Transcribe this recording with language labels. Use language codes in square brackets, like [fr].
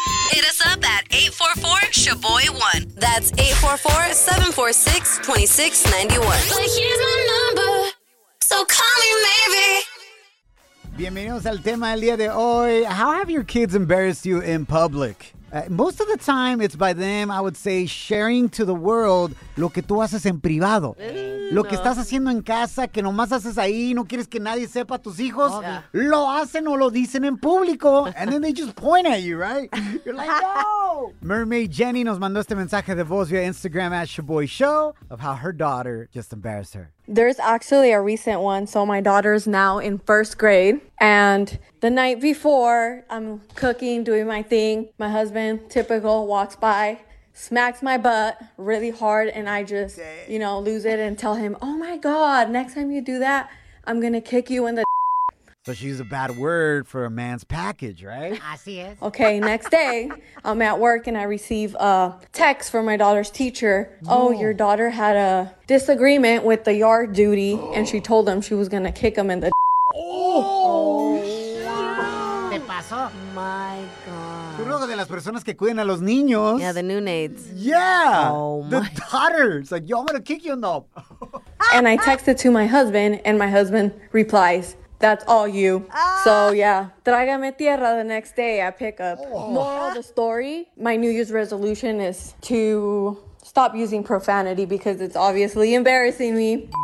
[en] Hit us up at 844-SHABOY1. That's 844-746-2691. But here's my number, so call me maybe. [es] Bienvenidos al tema del día de hoy. [en] How have your kids embarrassed you in public? Most of the time, it's by them, I would say, sharing to the world [es] lo que tú haces en privado. Lo que estás haciendo en casa, que nomás haces ahí, no quieres que nadie sepa tus hijos. Obvio. Lo hacen o lo dicen en público. [en] And then they just point at you, right? You're like, no. Mermaid Jenny [es] nos mandó este mensaje de voz [en] via Instagram at Shaboy Show of how her daughter just embarrassed her. There's actually a recent one. So my daughter's now in first grade. And the night before, I'm cooking, doing my thing. My husband, typical, walks by, smacks my butt really hard. And I just, you know, lose it and tell him, oh, my God, next time you do that, I'm going to kick you in the. So she's a bad word for a man's package, right? I see it. Okay, next day, I'm at work and I receive a text from my daughter's teacher. Oh, your daughter had a disagreement with the yard duty and she told him she was going to kick him in the. [es] ¿Qué pasó? [en] My God. [es] Tú eres una de las personas que cuidan a los niños. [en] Yeah, the new nades. Yeah. Oh, the my. The daughters. Like, yo, I'm going to kick you in the. And I texted to my husband, and my husband replies, that's all you. So, yeah. [es] Trágame tierra [en] the next day at pickup. Oh. Moral of the story, my New Year's resolution is to stop using profanity because it's obviously embarrassing me.